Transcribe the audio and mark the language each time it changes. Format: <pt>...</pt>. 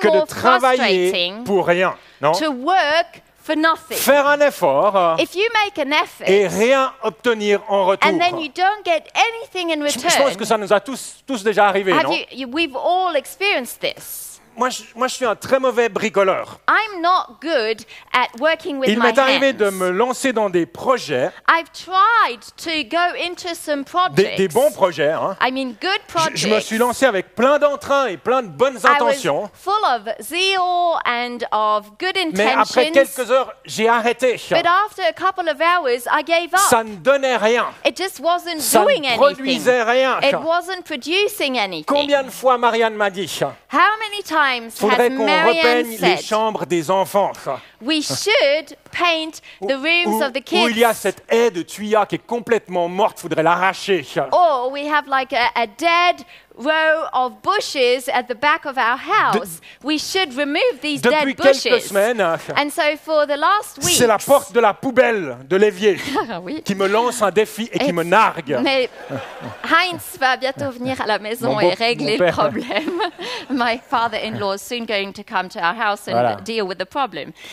<fr>que de travailler pour rien, non?</fr> <en>To work for nothing.</en> <fr>Faire un effort,</fr> <en>if you make an effort,</en> <fr>et rien obtenir en retour,</fr> <en>and then you don't get anything in return.</en> <fr>Je pense que ça nous a tous déjà arrivé,</fr> <en>have</en> <fr>non?</fr> <en>We've all experienced this.</en> <fr>Moi, je suis un très mauvais bricoleur.</fr> <en>I'm not good at working with my hands.</en> <fr>Il m'est arrivé de me lancer dans des projets.</fr> <en>I've tried to go into some projects.</en> <fr>Des bons projets, hein.</fr> <en>I mean good projects.</en> <fr>Je me suis lancé avec plein d'entrain et plein de bonnes intentions.</fr> <en>I was full of zeal and of good intentions.</en> <fr>Mais après quelques heures, j'ai arrêté.</fr> <en>But after a couple of hours, I gave up.</en> <fr>Ça ne donnait rien.</fr> <en>It just wasn't</en> <fr>Ça</fr> <en>doing anything.</en> <fr>Ça ne produisait rien.</fr> <en>It wasn't producing anything.</en> <fr>Combien de fois Marianne m'a dit?</fr> <en>How many times?</en> <fr>Il faudrait qu'on repeigne les chambres des enfants.</fr> <en>We should paint the rooms of the kids.</en> <fr>Où il y a cette haie de thuya qui est complètement morte, il faudrait l'arracher.</fr> <en>Or we have like a dead row of bushes at the back of our house. We should remove these dead bushes.</en> <fr>Depuis quelques semaines.</fr> <en>And so for the last week.</en> <fr>C'est la porte de la poubelle de l'évier qui me lance un défi et qui me nargue. Mais Heinz va bientôt venir à la maison et régler le problème.</fr> <en>My father-in-law is soon going to come to our house and deal with the problem.</en>